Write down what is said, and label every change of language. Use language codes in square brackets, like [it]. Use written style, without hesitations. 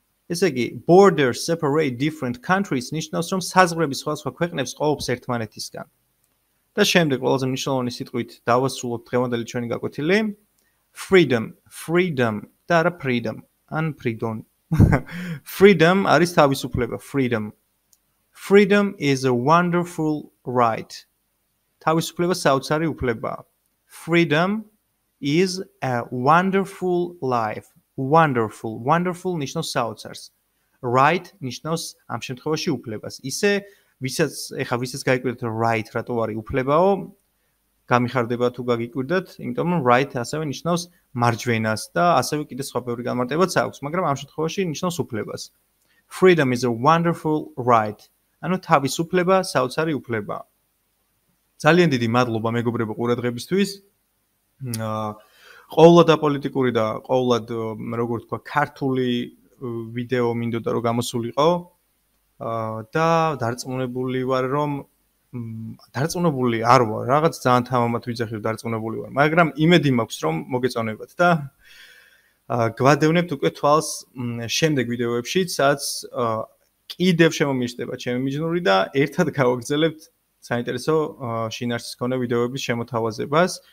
[ka] ესე იგი, [en] border separate different countries [ka] ნიშნავს, რომ საზღვრები სხვადასხვა ქვეყნებს ყოფს ერთმანეთისგან. და შემდეგ ყველაზე მნიშვნელოვანი სიტყვით დავასრულოთ დღევანდელი ჩვენი გაკვეთილი. [en] Freedom, freedom. [ka] და არა [en] freedom, ან freedom. [ka] Freedom არის თავისუფლება, freedom. [en] Freedom is a wonderful right. [ka] თავისუფლება საოცარი უფლებაა. [en] Freedom is a wonderful life. [ka] Wonderful, wonderful ნიშნავს საოცარს. Right ნიშნავს ამ შემთხვევაში უფლებას. ისე ვისაც ეხა ვისაც გაიკვირდეთ right რატო არის უფლებაო, გამიხარდება თუ გაგიკვირდეთ, იმიტომ რომ right ასევე ნიშნავს მარჯვენას და ასევე კიდე სხვა ბევრი გამარტებაც აქვს, მაგრამ ამ შემთხვევაში ნიშნავს უფლებას. [en] Freedom is a wonderful right. [ka] ანუ თავისუფლება საოცარი უფლება. ძალიან დიდი მადლობა მეგობრებო ყურადღებისთვის. ყოვლად აპოლიტიკური და ყოვლად როგორ თქვა, ქართული ვიდეო მინდოდა რომ გამოსულიყო. და დარწმუნებული ვარ, რომ დარწმუნებული არ ვარ, რაღაც ძალიან თამამად ვიძახი რომ დარწმუნებული ვარ, მაგრამ იმედი მაქვს რომ მოგეწონებათ და გვადევნებთ უკვე თვალს შემდეგ ვიდეოებში, სადაც კიდევ შემომიჯნება ჩემი მიჯნური და ერთად გავაგრძელებთ საინტერესო შინაარსის მქონე ვიდეოების შემოთავაზებას.